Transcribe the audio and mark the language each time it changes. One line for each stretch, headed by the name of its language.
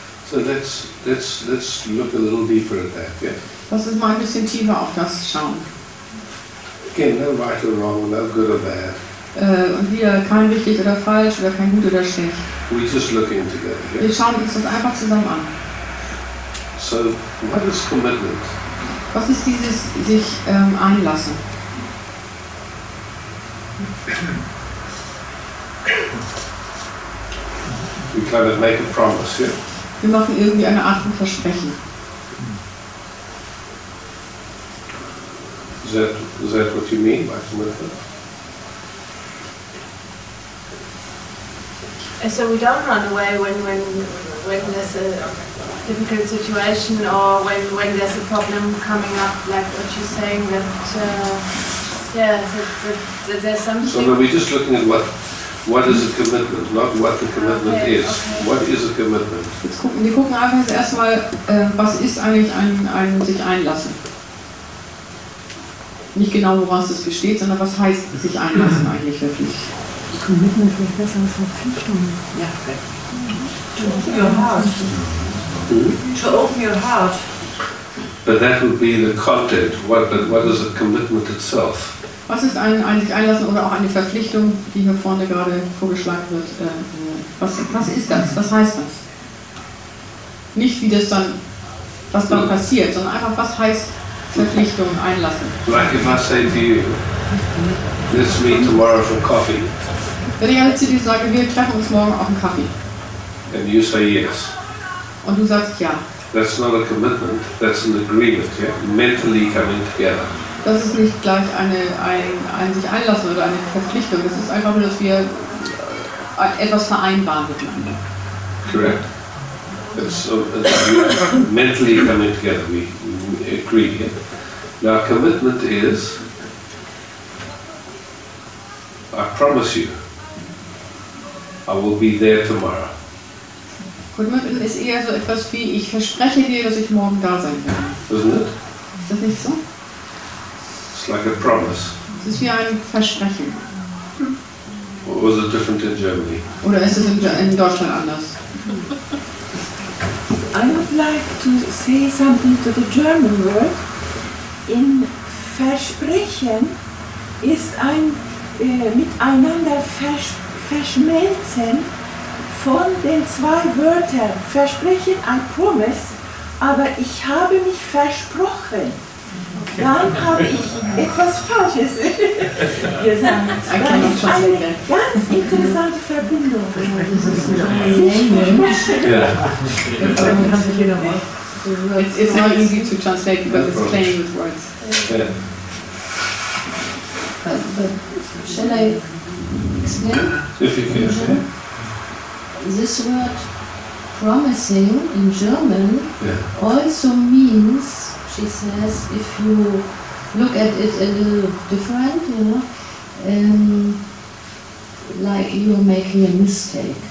English: So let's look a little deeper at that, yeah?
German: Lass uns mal ein bisschen tiefer auf das schauen.
English: Again, no right or wrong, no good or bad.
German: Und wieder kein richtig oder falsch oder kein gut oder schlecht.
English: We just look in together, yeah?
German: Wir schauen uns das einfach zusammen an.
English: So, what is commitment?
German: Was ist dieses sich einlassen?
English: We kind of make a promise, yeah?
German: Wir machen irgendwie eine Art von Versprechen.
English: Is that what you mean by commitment? So we don't run away when there's a difficult situation or when there's a problem coming up, like what you're saying, that there's something. So we're just looking at what is a commitment, not what the commitment is. Okay. What is a commitment?
German: Wir gucken einfach jetzt erstmal, was ist eigentlich ein sich einlassen? Nicht genau, woraus es besteht, sondern was heißt sich einlassen eigentlich wirklich? Commitment wäre besser als Verpflichtung. Ja.
English: To open your heart. But that would be the content. What is a commitment itself?
German: Was ist ein sich einlassen oder auch eine Verpflichtung, die hier vorne gerade vorgeschlagen wird? Was ist das? Was heißt das? Nicht wie das dann, was dann passiert, sondern einfach, was heißt Verpflichtung, einlassen?
English: Like if I say to you, let's meet tomorrow for coffee.
German: Wenn ich jetzt zu dir sage, wir treffen uns morgen auf einen Kaffee.
English: And you say yes.
German: Und du sagst ja.
English: That's not a commitment, that's an agreement, yeah? Mentally coming together.
German: Das ist nicht gleich ein sich einlassen oder eine Verpflichtung. Das ist einfach nur, dass wir etwas vereinbaren miteinander.
English: Correct. It's mentally coming together. We agree. Yeah? Now, commitment is, I promise you, I will be there tomorrow.
German: Commitment ist eher so etwas wie, ich verspreche dir, dass ich morgen da sein werde.
English: Isn't it?
German: Ist das nicht so?
English: Like a promise.
German: Es ist wie ein Versprechen.
English: Or was it different in Germany?
German: Oder ist es in Deutschland anders?
English: I would like to say something to the German word.
German: In Versprechen ist ein miteinander verschmelzen von den zwei Wörtern. Versprechen, ein Promise, aber ich habe mich versprochen. Dann habe ich etwas Falsches gesagt. Das ist eine ganz interessante Verbindung.
English: It's not easy to translate because it's playing with words. But shall I explain? If you can. This word promising in German also means, she says, if you look at it a little different, you know, like you're making a mistake.